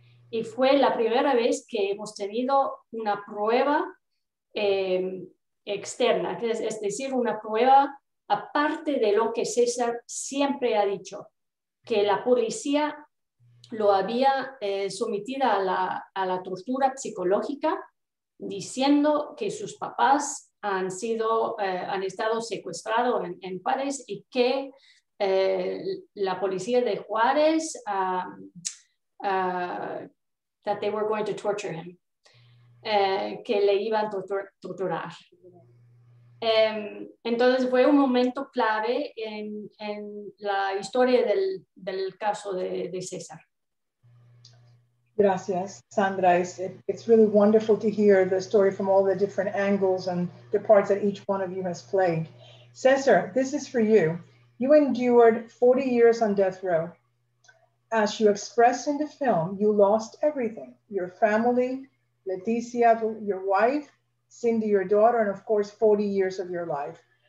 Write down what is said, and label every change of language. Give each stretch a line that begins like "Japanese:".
Spanish: Y fue la primera vez que hemos tenido una prueba externa, es decir, una prueba aparte de lo que César siempre ha dicho, que la policía lo había sometido a la tortura psicológica, diciendo que sus papás han estado secuestrados en Juárez y que la policía de Juárez
English: that they were going to torture him,
Spanish: que le iban a torturar. Entonces fue un momento clave en la historia del caso de César. Gracias, Sandra.
English: It's really wonderful to hear the story from all the different angles and the parts that each one of you has played. César, this is for you. You endured 40 years on death row. As you express in the film, you lost everything. Your family, Leticia, your wife, Cindy, your daughter, and of course, 40 years of your life.